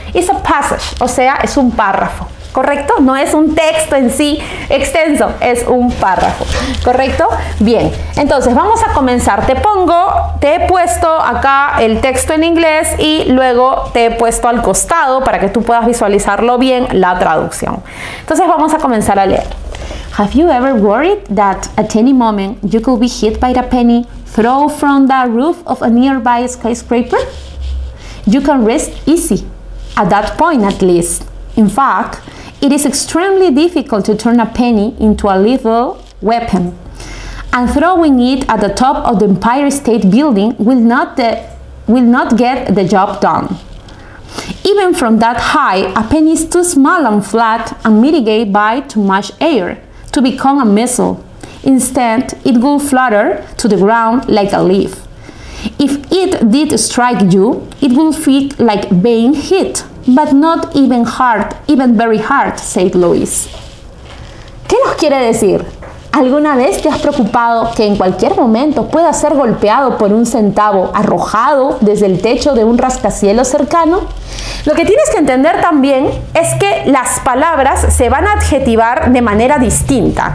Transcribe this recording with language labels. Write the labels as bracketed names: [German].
[English] It's a passage, [Spanish] o sea, es un párrafo. ¿Correcto? No es un texto en sí extenso, es un párrafo. ¿Correcto? Bien, entonces vamos a comenzar. Te he puesto acá el texto en inglés y luego te he puesto al costado para que tú puedas visualizarlo bien la traducción. Entonces vamos a comenzar a leer. [English] Have you ever worried that at any moment you could be hit by a penny thrown from the roof of a nearby skyscraper? You can rest easy, at that point at least. In fact, it is extremely difficult to turn a penny into a lethal weapon, and throwing it at the top of the Empire State Building will not get the job done. Even from that high, a penny is too small and flat and mitigated by too much air to become a missile. Instead, it will flutter to the ground like a leaf. If it did strike you, it will feel like being hit. But not even hard, even very hard, said Louise. [Spanish] ¿Qué nos quiere decir? ¿Alguna vez te has preocupado que en cualquier momento puedas ser golpeado por un centavo arrojado desde el techo de un rascacielos cercano? Lo que tienes que entender también es que las palabras se van a adjetivar de manera distinta.